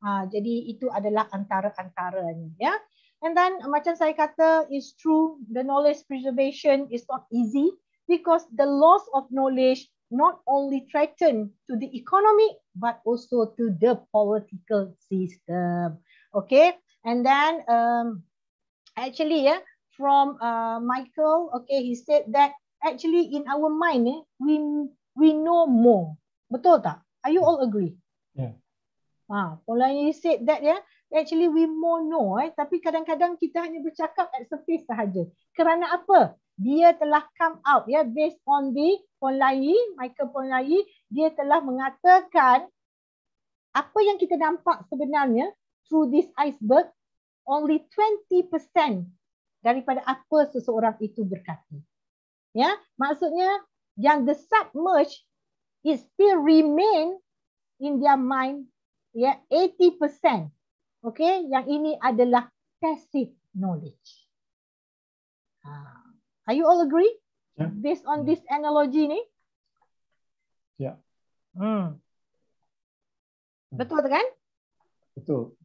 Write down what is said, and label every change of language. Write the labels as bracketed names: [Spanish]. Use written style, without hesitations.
[Malay] Jadi itu adalah antara-antaranya ya. [English] And then [Malay] macam saya kata, [English] it's true the knowledge preservation is not easy because the loss of knowledge not only threaten to the economy but also to the political system. Okay, and then actually yeah, from Michael, okay, he said that actually in our mind we know more. [Malay] Betul tak? [English] Are you all agree? Yeah. Polanyi said that yeah, actually we more know [Malay] tapi kadang-kadang kita hanya bercakap [English] at surface [Malay] sahaja. Kerana apa? Dia telah [English] come out yeah, [Malay] based on the Polanyi, Michael Polanyi, dia telah mengatakan apa yang kita nampak sebenarnya [English] through this iceberg only 20% [Malay] daripada apa seseorang itu berkata. Ya, maksudnya yang [English] the submerged is still remain in their mind ya 80%. [Malay] Okay, yang ini adalah passive knowledge. [English] Are you all agree? Yeah. Based on this analogy ni? Yeah. [Malay] Betul tak kan? Betul.